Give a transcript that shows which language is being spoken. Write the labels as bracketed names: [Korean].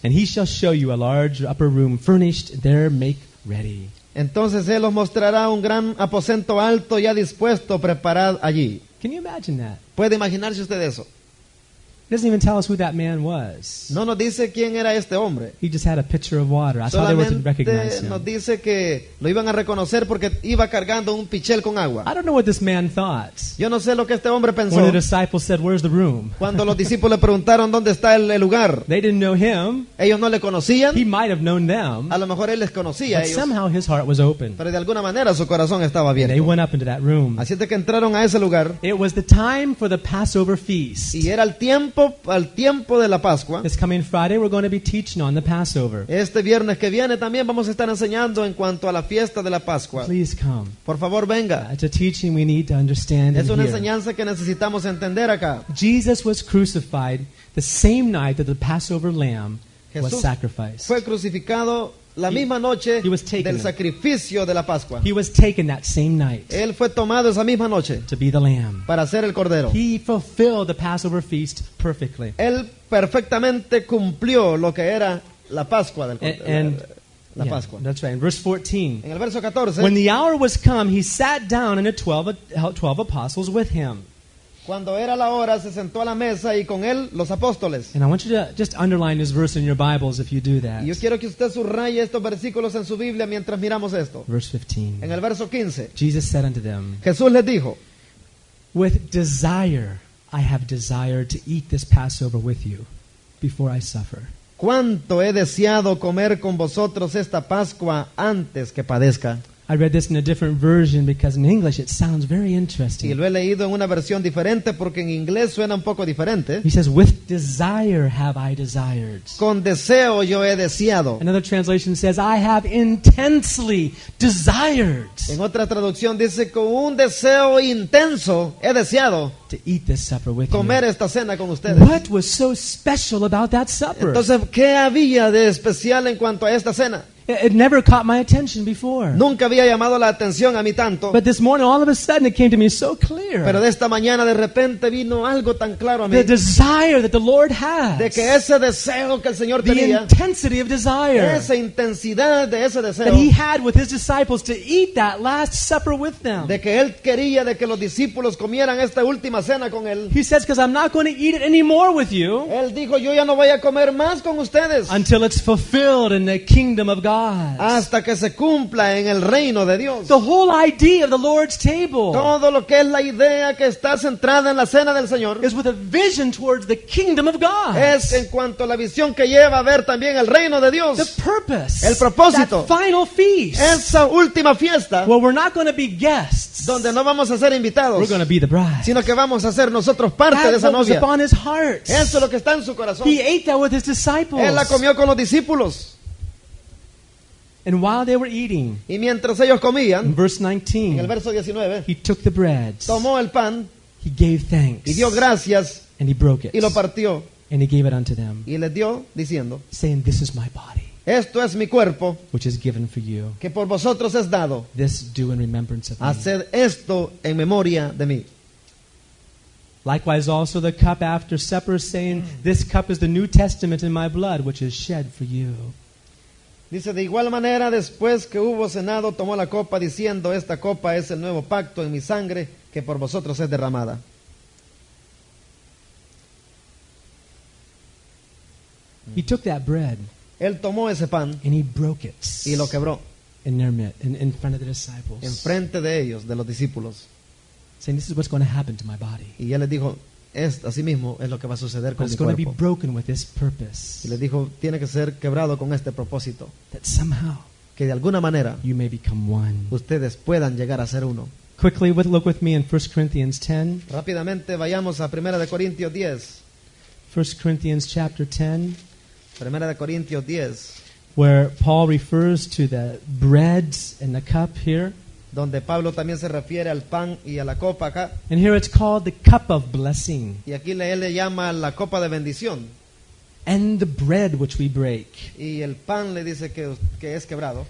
[English] And he shall show you a large upper room furnished there, make ready. [Spanish] Entonces él os mostrará un gran aposento alto ya dispuesto, preparad allí. [English] Can you imagine that? [Spanish] ¿Puede imaginarse usted eso? [English] He doesn't even tell us who that man was. [Spanish] No nos dice quién era este hombre. [English] He just had a pitcher of water. I thought they were to recognize him. [Spanish] Nos dice que lo iban a reconocer porque iba cargando un pichel con agua. [English] I don't know what this man thought. [Spanish] Yo no sé lo que este hombre pensó. [English] When the disciples said, "Where's the room?" [Spanish] Cuando los discípulos le preguntaron dónde está el lugar. [English] They didn't know him. [Spanish] Ellos no le conocían. [English] He might have known them. [Spanish] A lo mejor él les conocía. [English] But somehow his heart was open. [Spanish] Pero de alguna manera su corazón estaba abierto. [English] They went up into that room. [Spanish] Así es que entraron a ese lugar. [English] It was the time for the Passover feast. [Spanish] Y era el tiempo. Al tiempo de la Pascua. [English] This coming Friday we're going to be teaching on the Passover. [Spanish] Este viernes que viene también vamos a estar enseñando en cuanto a la fiesta de la Pascua. [English] Please come. [Spanish] Por favor, venga. [English] It's a teaching we need to understand. [Spanish] Es una enseñanza que necesitamos entender acá. [English] Jesus was crucified the same night that the Passover lamb was sacrificed. [Spanish] Fue crucificado la misma noche del sacrificio de la Pascua. [English] He was taken that same night. [Spanish] Él fue tomado esa misma noche [English] to be the lamb. [Spanish] Para ser el cordero. [English] He fulfilled the Passover feast perfectly. [Spanish] Él perfectamente cumplió lo que era la Pascua del cordero. La Pascua. [English] That's right. In verse 14. [Spanish] En el verso 14. [English] When the hour was come, he sat down and the 12 apostles with him. [Spanish] Cuando era la hora, se sentó a la mesa y con él los apóstoles. [English] And I want you to just underline this verse in your Bibles if you do that. [Spanish] Y yo quiero que usted subraye estos versículos en su Biblia mientras miramos esto. [English] Verse 15. [Spanish] En el verso 15. [English] Jesus said unto them. [Spanish] Jesús les dijo. [English] With desire, I have desired to eat this Passover with you before I suffer. [Spanish] Cuánto he deseado comer con vosotros esta Pascua antes que padezca. [English] I read this in a different version because in English it sounds very interesting. [Spanish] Y lo he leído en una versión diferente porque en inglés suena un poco diferente. [English] He says, "With desire have I desired." [Spanish] Con deseo yo he deseado. [English] Another translation says, "I have intensely desired." [Spanish] En otra traducción dice, con un deseo intenso he deseado. [English] To eat this supper with [Spanish] comer [English] you. [Spanish] Esta cena con ustedes. [English] What was so special about that supper? [Spanish] Entonces, ¿qué había de especial en cuanto a esta cena? [English] It never caught my attention before. [Spanish] Nunca había llamado la atención a mí tanto. [English] But this morning, all of a sudden, it came to me so clear. [Spanish] Pero de esta mañana, de repente, vino algo tan claro a mí. [English] The desire that the Lord has. [Spanish] De que ese deseo que el Señor [English] the [Spanish] tenía. [English] The intensity of desire. [Spanish] Esa intensidad de ese deseo. [English] That he had with his disciples to eat that last supper with them. [Spanish] De que él quería de que los discípulos comieran esta última cena con él. [English] He says, "Because I'm not going to eat it anymore with you." [Spanish] Él dijo, "Yo ya no voy a comer más con ustedes." [English] Until it's fulfilled in the kingdom of God. [Spanish] Hasta que se cumpla en el reino de Dios. [English] The whole idea of the Lord's table. [Spanish] Todo lo que es la idea que está centrada en la cena del Señor. [English] Is with a vision towards the kingdom of God. [Spanish] Es en cuanto a la visión que lleva a ver también el reino de Dios. [English] The purpose. [Spanish] El propósito. [English] That final feast. [Spanish] Esa última fiesta. [English] Well, we're not going to be guests. [Spanish] Donde no vamos a ser invitados. [English] We're going to be the bride. [Spanish] Sino que vamos a ser nosotros parte [English] that's [Spanish] de esa novia. [English] What was upon his heart. [Spanish] Eso es lo que está en su corazón. [English] He ate that with his disciples. [Spanish] Él la comió con los discípulos. [English] And while they were eating, [Spanish] y mientras ellos comían, [English] in verse 19, [Spanish] en el verso 19, [English] he took the bread, [Spanish] tomó el pan, [English] he gave thanks, [Spanish] y dio gracias, [English] and he broke it, [Spanish] y lo partió, [English] and he gave it unto them, [Spanish] y les dio, diciendo, [English] saying, "This is my body, [Spanish] esto es mi cuerpo, [English] which is given for you, [Spanish] que por vosotros es dado, [English] this do in remembrance of me." [Spanish] Haced esto en memoria de mí. [English] Likewise also the cup after supper, saying, "This cup is the New Testament in my blood, which is shed for you." [Spanish] Dice, de igual manera, después que hubo cenado, tomó la copa diciendo, esta copa es el nuevo pacto en mi sangre que por vosotros es derramada. [English] He took that bread. [Spanish] Él tomó ese pan [English] and he broke it [Spanish] y lo quebró [English] in their midst, in front of the disciples. [Spanish] En frente de ellos, de los discípulos. [English] Saying, this is what's going to happen to my body. [Spanish] Y él les dijo, es así mismo es lo que va a suceder con mi cuerpo. [English] It's going to be broken with this purpose. [Spanish] Y les dijo, tiene que ser quebrado con este propósito. [English] That somehow [Spanish] que de alguna manera [English] you may become one. [Spanish] Ustedes puedan llegar a ser uno. [English] Quickly, look with me in 1 Corinthians 10. [Spanish] Rápidamente vayamos a 1 de Corintios 10. [English] 1 Corinthians chapter 10. [Spanish] 1 de Corintios 10. [English] Where Paul refers to the bread and the cup here. [Spanish] Donde Pablo también se refiere al pan y a la copa acá. [English] And here it's called the cup of blessing. [Spanish] Y aquí él le llama la copa de bendición. [English] And the bread which we break. [Spanish] Y el pan le dice que es quebrado.